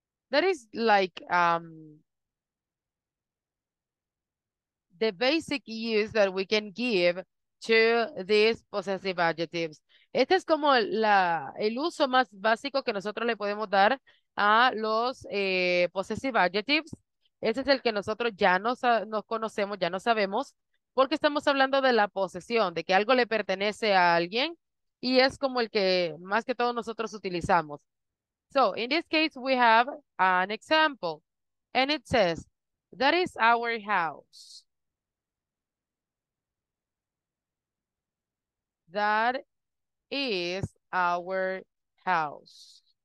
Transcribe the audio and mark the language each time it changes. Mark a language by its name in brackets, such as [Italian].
[English] That is like the basic use that we can give to these possessive adjectives. [Spanish] Este es como el uso más básico que nosotros le podemos dar a los possessive adjectives. Este es el que nosotros ya nos conocemos, ya no sabemos, porque estamos hablando de la posesión, de que algo le pertenece a alguien, y es como el que más que todos nosotros utilizamos. [English] So, in this case, we have an example, and it says, that is our house. That is our house.